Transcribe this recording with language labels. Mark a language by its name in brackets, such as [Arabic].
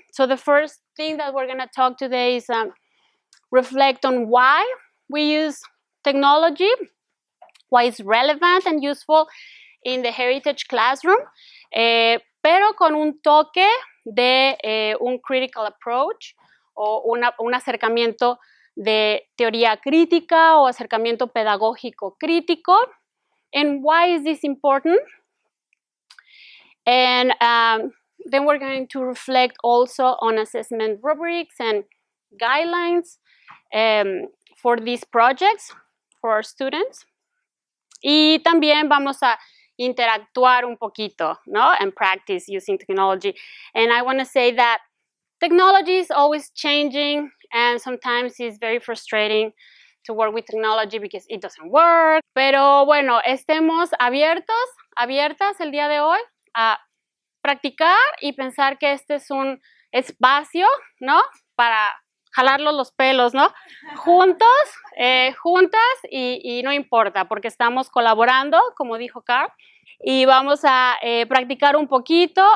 [English] So the first thing that we're gonna talk today is reflect on why we use technology, why it's relevant and useful in the heritage classroom, [Spanish] pero con un toque de un [English] critical approach [Spanish] o un acercamiento de teoría crítica o acercamiento pedagógico crítico. [English] And why is this important? And then we're going to reflect also on assessment rubrics and guidelines for these projects for our students. [Spanish] Y también vamos a interactuar un poquito, ¿no? [English] And practice using technology. And I want to say that technology is always changing, and sometimes it's very frustrating to work with technology because it doesn't work. [Spanish] Pero bueno, estemos abiertos, abiertas el día de hoy a practicar y pensar que este es un espacio, ¿no? Para jalarlos los pelos, ¿no? Juntos, juntas, y no importa, porque estamos colaborando, como dijo Carl, y vamos a practicar un poquito.